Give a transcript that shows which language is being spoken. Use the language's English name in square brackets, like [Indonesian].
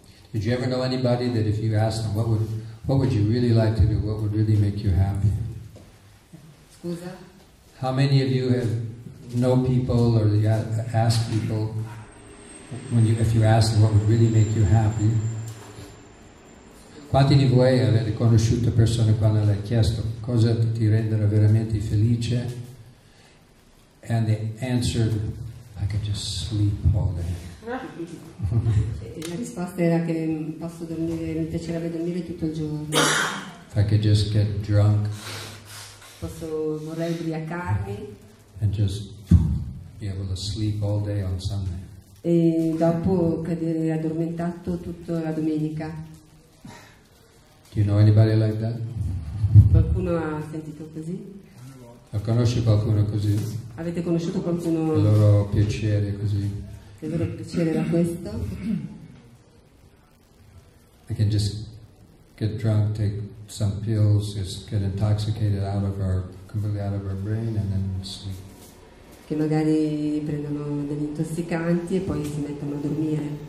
[English] Did you ever know anybody that if you asked them what would you really like to do, what would really make you happy? [Italian] Scusa. [English] How many of you have know people or ask people if you ask them what would really make you happy? [Italian] Quanti di voi avete conosciuto persone quando le hai chiesto cosa ti renderà veramente felice? [English] And they answered, I could just sleep all day. [Italian] La risposta era che posso dormire, mi piacerebbe dormire tutto il giorno. [English] If I could just get drunk. [Italian] Vorrei ubriacarmi. [English] And just be able to sleep all day on Sunday. [Italian] E dopo cadere addormentato tutta la domenica. [English] Do you know anybody like that? [Italian] Qualcuno ha sentito così? La conosci qualcuno così? Avete conosciuto qualcuno? Il loro piacere così? Il loro piacere era questo? [English] I can just get drunk, take some pills, just get intoxicated completely out of our brain, and then sleep. [Italian] Che magari prendono degli intossicanti e poi si mettono a dormire.